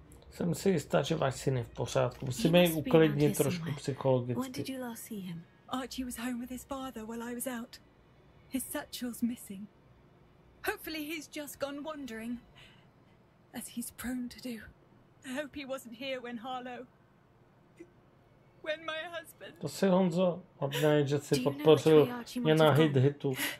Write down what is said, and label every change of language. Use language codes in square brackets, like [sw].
[cs] Jsem si jistá, že váš syn je v pořádku. Musíme jej uklidnit trošku psychologicky. [en] Archie was home with his father while I was out. His satchel's missing. Hopefully he's just gone wandering, as he's prone to do. I hope he wasn't here when Harlow... When my husband... [cs] To si Honzo odnej, že si podpořil mě na hit-hitu.